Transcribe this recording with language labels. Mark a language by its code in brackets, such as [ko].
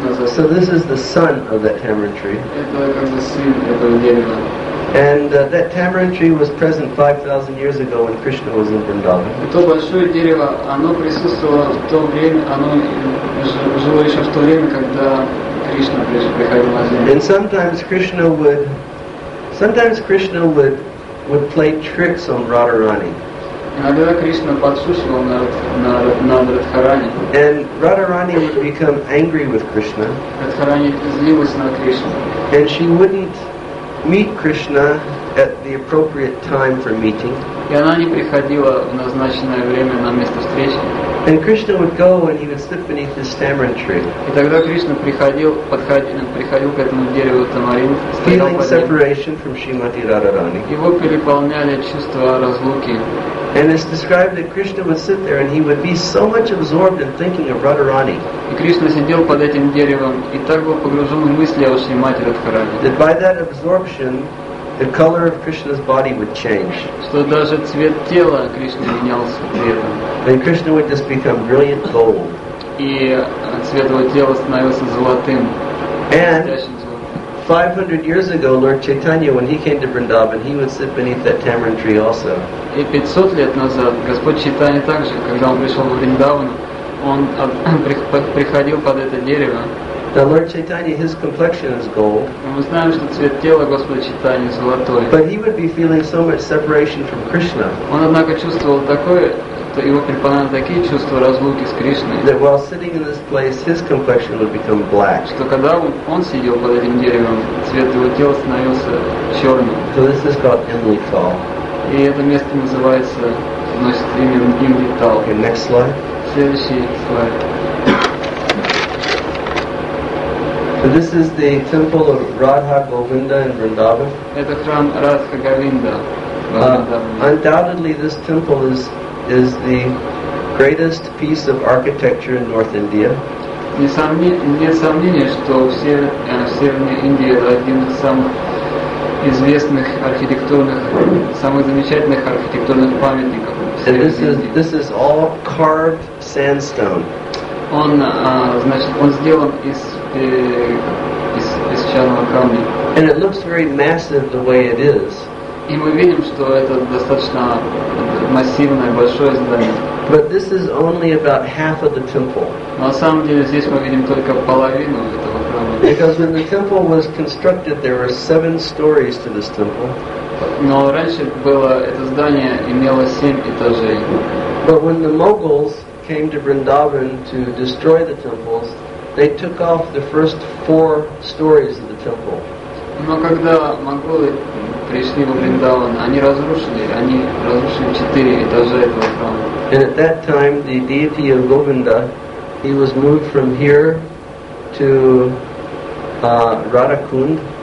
[en] So this is the son of that tamarind tree. And that tamarind tree was present 5,000 years ago when Krishna was in Vrindavan. [ru] То большое дерево, оно присутствовало в то время, оно жило еще в то время, когда Кришна приходил на землю. [en] And sometimes Krishna would play tricks on Radharani. [ru] Иногда Кришна подслушивал на Радхарани. [en] And Radharani would become angry with Krishna. [ru] Радхарани злилась на Кришну. [en] And she wouldn't meet Krishna at the appropriate time for meeting. [ru] И она не приходила в назначенное время на место встречи. [en] And Krishna would go and he would sit beneath this tamarind tree. [ru] И тогда Кришна приходил, приходил к этому дереву тамарин, [en] feeling separation from Shrimati Radharani. [ru] Его переполняли чувства разлуки. [en] And it's described that Krishna would sit there and he would be so much absorbed in thinking of Radharani. [ru] И Кришна сидел под этим деревом и так был погружен в мысли о Шримати Радхарани. [en] That by that absorption, the color of Krishna's body would change. [ru] Что даже цвет тела Кришны менялся при этом. [en] Then Krishna would just become brilliant gold. [ru] И цвет его тела становился золотым. [en] And 500 years ago, Lord Chaitanya, when he came to Vrindavan, he would sit beneath that tamarind tree also. [ru] И 500 лет назад Господь Чайтанья также, когда он пришел в Вриндаван, он приходил под это дерево. [en] Now Lord Chaitanya, his complexion is gold. [ru] Мы знаем, что цвет тела Господа Чайтаньи золотой. [en] But he would be feeling so much separation from Krishna. [ru] Он однако чувствовал такое, что его переполняли такие чувства разлуки с Кришной. [en] That while sitting in this place, his complexion would become black. [ru] Что когда он сидел под этим деревом, цвет его тела становился черным. [en] So this is called Imlital. [ru] И это место называется, носит имя Imlital. [en] Okay, next slide. [ru] Следующий слайд. [en] So this is the temple of Radha Govinda in Vrindavan. [ru] Это храм Радха Говинда. [en] Undoubtedly, this temple is the greatest piece of architecture in North India. [ru] Нет сомнения, что Северная Индия это один из самых известных архитектурных, самых замечательных архитектурных памятников. [en] This is all carved sandstone. [ru] Он сделан из песчаного камня. [en] And it looks very massive the way it is. [ru] И мы видим, что это достаточно массивное, большое здание. [en] But this is only about half of the temple. [ru] Но на самом деле здесь мы видим только половину этого храма. [en] Because when the temple was constructed, there were 7 stories to this temple. [ru] Но раньше было это здание имело 7 этажей. [en] But when the Mughals came to Vrindavan to destroy the temples, they took off the first 4 stories of the temple. [ru] Но когда монголы пришли во Вриндаван, они разрушили 4 этажа этого храма. [en] And at that time, the deity of Govinda, he was moved from here to Radhakund.